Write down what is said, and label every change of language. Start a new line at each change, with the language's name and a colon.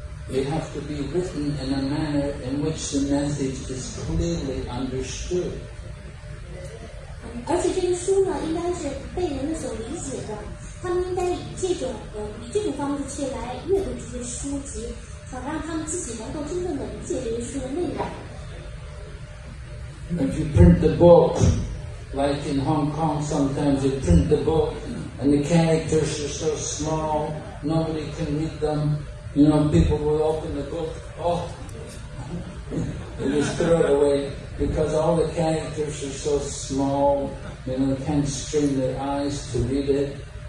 English: They have to be written in a manner in which the message is clearly understood.
Chinese: 而且这个书呢，应该是被人所理解的。他们应该以这种方式来阅读这些书籍，好让他们自己能够真正的理解这些书的内容。
English: If you print the book, like in Hong Kong, sometimes you print the book and the characters are so small, nobody can read them. You know, people will open the book, oh, they just throw it away because all the characters are so small, you know, they can't strain their eyes to read it.